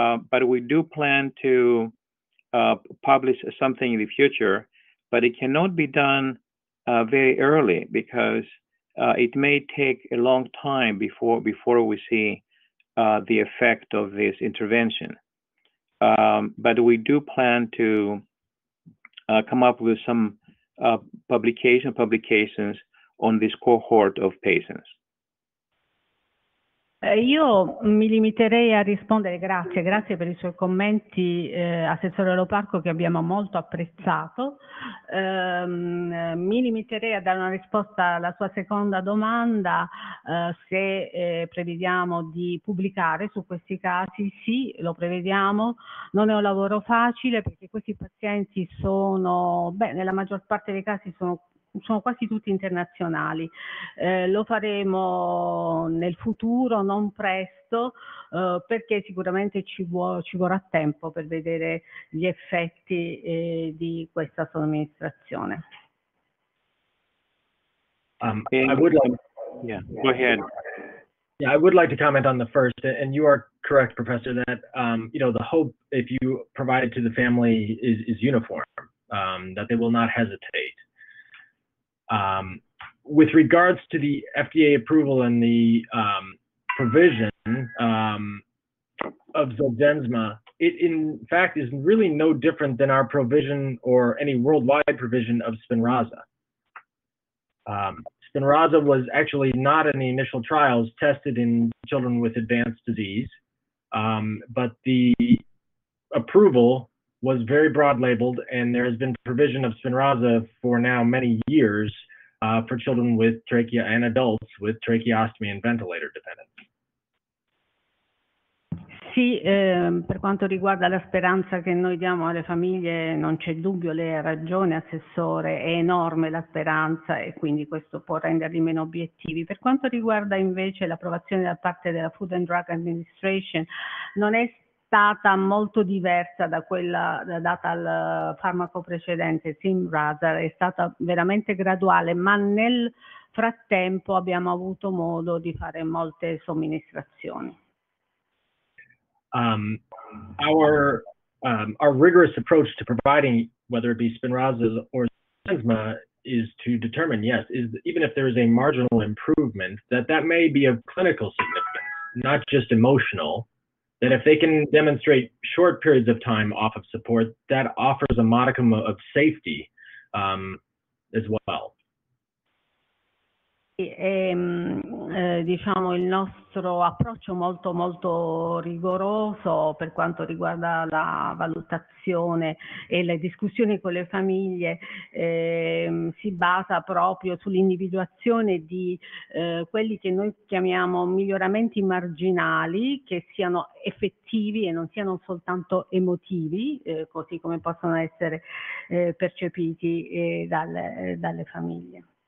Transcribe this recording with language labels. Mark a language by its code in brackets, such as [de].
[en] But we do plan to publish something in the future, but it cannot be done very early because it may take a long time before we see the effect of this intervention. But we do plan to come up with some publications on this cohort of patients. [it] Io mi limiterei a rispondere, grazie per i suoi commenti, Assessore Lopalco, che abbiamo molto apprezzato. Mi limiterei a dare una risposta alla sua seconda domanda, se prevediamo di pubblicare su questi casi. Sì, lo prevediamo, non è un lavoro facile perché questi pazienti sono, nella maggior parte dei casi sono quasi tutti internazionali. Lo faremo nel futuro, non presto, perché sicuramente ci vorrà tempo per vedere gli effetti di questa somministrazione. [en] I would like to comment on the first, and you are correct, Professor, that you know, the hope, if you provide it to the family, is uniform, that they will not hesitate. With regards to the FDA approval and the provision of Zolgensma, it in fact is really no different than our provision or any worldwide provision of Spinraza. Spinraza was actually not in the initial trials tested in children with advanced disease, but the approval was very broad labeled, and there has been provision of Spinraza for now many years for children with trachea and adults with tracheostomy and ventilator dependence. [it] Sì, per quanto riguarda la speranza che noi diamo alle famiglie, non c'è dubbio, lei ha ragione, Assessore, è enorme la speranza e quindi questo può renderli meno obiettivi. Per quanto riguarda invece l'approvazione da parte della Food and Drug Administration, non è stata molto diversa da quella data al farmaco precedente, Spinraza, è stata veramente graduale, ma nel frattempo abbiamo avuto modo di fare molte somministrazioni. [en] Our rigorous approach to providing, whether it be Spinraza or Zolgensma, is to determine, yes, is even if there is a marginal improvement, that may be of clinical significance, not just emotional, that if they can demonstrate short periods of time off of support, that offers a modicum of safety as well. [it] Diciamo il nostro approccio molto molto rigoroso per quanto riguarda la valutazione e le discussioni con le famiglie si basa proprio sull'individuazione di quelli che noi chiamiamo miglioramenti marginali, che siano effettivi e non siano soltanto emotivi, così come possono essere percepiti dalle famiglie.